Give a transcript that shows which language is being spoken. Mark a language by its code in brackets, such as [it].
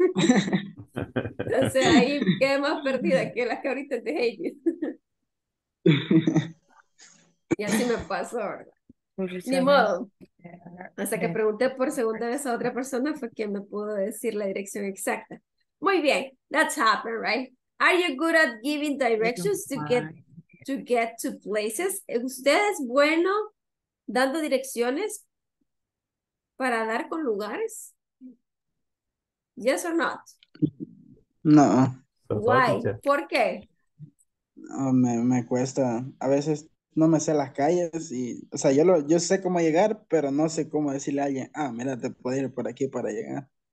[es] Entonces ahí quedé más perdida que las cabritas de ellos. Y así me pasó, ¿verdad? Ni modo. Hasta que pregunté por segunda vez a otra persona fue quien me pudo decir la dirección exacta. Muy bien, [en] that's happened, right? Are you good at giving directions to get to places? [es] ¿Usted es bueno dando direcciones para dar con lugares? [en] Yes or not? No. Why? [es] ¿Por qué? No, me cuesta. A veces no me sé las calles y, o sea, yo sé cómo llegar, pero no sé cómo decirle a alguien, ah, mira, te puedo ir por aquí para llegar.